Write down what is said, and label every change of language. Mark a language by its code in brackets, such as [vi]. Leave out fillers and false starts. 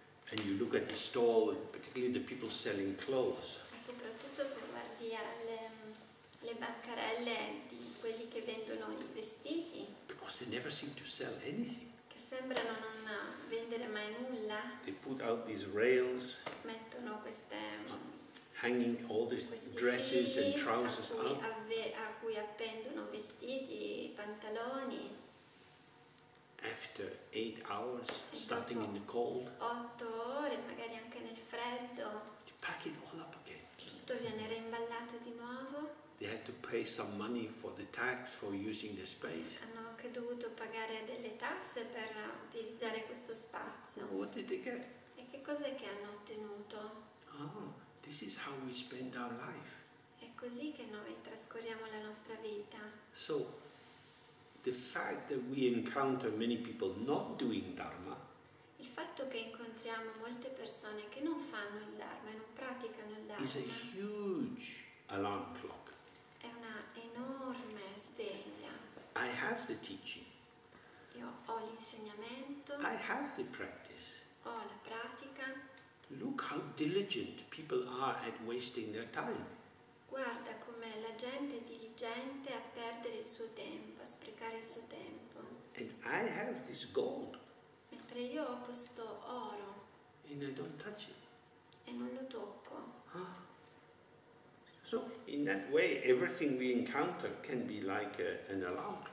[en] And you look at the stall, particularly the people selling clothes. [it] E soprattutto se guardi le bancarelle di quelli che vendono i vestiti. [en] Because they never seem to sell anything. [it] Sembrano non vendere mai nulla. [en] They put out these rails. [it] Mettono queste [en] hanging all these dresses and trousers [it] a cui, a cui appendono vestiti, pantaloni. [en] After 8 hours, starting in the cold. [it] 8 ore, magari anche nel freddo. [en] They pack it all up again. [it] Tutto viene reimballato di nuovo. [en] They had to pay some money for the tax for using the space. [it] Hanno anche dovuto pagare delle tasse per utilizzare questo spazio. [en] What did they get? [it] E che cos'è che hanno ottenuto? [en] Oh, this is how we spend our life. [it] È così che noi trascorriamo la nostra vita. [en] So, the fact that we encounter many people not doing dharma. [it] Il fatto che incontriamo molte persone che non fanno il dharma e non praticano il dharma [en] is a huge alarm clock. [it] È una enorme sveglia. [en] I have the teaching. [it] Io ho l'insegnamento. [en] I have the practice. [it] Ho la pratica. [en] Look how diligent people are at wasting their time. [it] Guarda com'è la gente diligente a perdere il suo tempo, a sprecare il suo tempo. [en] And I have this gold. [it] Mentre io ho questo oro. [en] And I don't touch it. [it] E non lo tocco. [en] So in that way everything we encounter can be like an alarm clock.